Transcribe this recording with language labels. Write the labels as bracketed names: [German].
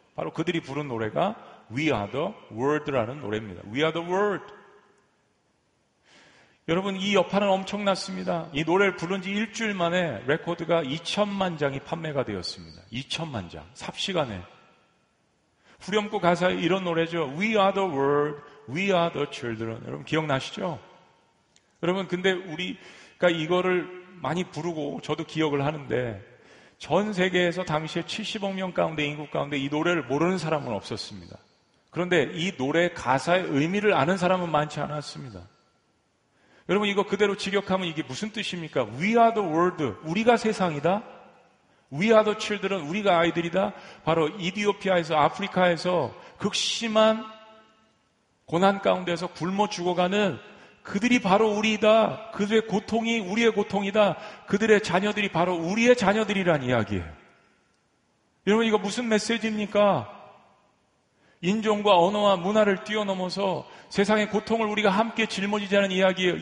[Korean] 바로 그들이 부른 노래가 We Are The World라는 노래입니다. [English] We Are The World. [Korean] 여러분, 이 여파는 엄청났습니다. 이 노래를 부른 지 일주일 만에 레코드가 2천만 장이 판매가 되었습니다. 2천만 장, 삽시간에. 후렴구 가사에 이런 노래죠. [English] We are the world, we are the children. [Korean] 여러분 기억나시죠? 여러분, 근데 우리가 이거를 많이 부르고 저도 기억을 하는데 전 세계에서 당시에 70억 명 가운데 인구 가운데 이 노래를 모르는 사람은 없었습니다. 그런데 이 노래 가사의 의미를 아는 사람은 많지 않았습니다. 여러분, 이거 그대로 직역하면 이게 무슨 뜻입니까? [English] We are the world, [Korean] 우리가 세상이다. [English] We are the children, [Korean] 우리가 아이들이다. 바로 이디오피아에서 아프리카에서 극심한 고난 가운데서 굶어 죽어가는 그들이 바로 우리이다. 그들의 고통이 우리의 고통이다. 그들의 자녀들이 바로 우리의 자녀들이란 이야기예요. 여러분, 이거 무슨 메시지입니까? 인종과 언어와 문화를 뛰어넘어서 세상의 고통을 우리가 함께 짊어지자는 이야기예요.